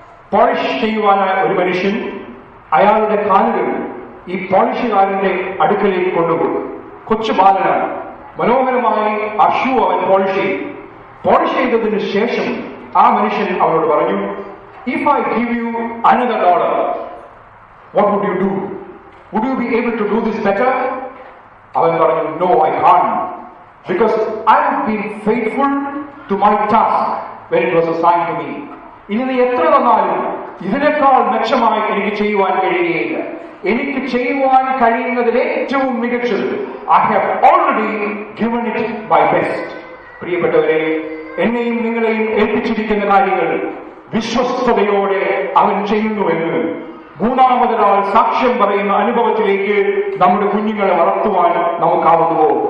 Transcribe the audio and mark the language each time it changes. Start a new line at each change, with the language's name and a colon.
Malayalam: Polish ചെയ്യുവാനായ ഒരു മനുഷ്യൻ അയാളുടെ കാലുകൾ ഈ പോളിഷുകാരന്റെ അടുക്കലേക്ക് കൊണ്ടുപോകും. കൊച്ചു ബാലനാണ്, മനോഹരമായി ആ ഷൂ അവൻ പോളിഷ് ചെയ്യും. പോളിഷ് ചെയ്തതിന് ശേഷം ആ മനുഷ്യൻ അവനോട് പറഞ്ഞു,
English: If I give you another dollar, What would you do? Would you be able to do this better?
Malayalam: Avan paranju,
English: no, I can't. Because I have been faithful to my task when it was assigned to me.
Malayalam: ഇതിന് എത്ര വന്നാലും ഇതിനേക്കാൾ മെച്ചമായി എനിക്ക് ചെയ്യുവാൻ കഴിയുകയില്ല. എനിക്ക് ചെയ്യുവാൻ കഴിയുന്നതിൽ ഏറ്റവും മികച്ചത്
English: I have already given it my best.
Malayalam: പ്രിയപ്പെട്ടവരെ, എന്നെയും നിങ്ങളെയും ഏൽപ്പിച്ചിരിക്കുന്ന കാര്യങ്ങൾ വിശ്വസ്തതയോടെ അവൻ ചെയ്യുന്നുവെന്ന് മൂന്നാമതൊരാൾ സാക്ഷ്യം പറയുന്ന അനുഭവത്തിലേക്ക് നമ്മുടെ കുഞ്ഞുങ്ങളെ വളർത്തുവാൻ നമുക്കാവുന്നുവോ?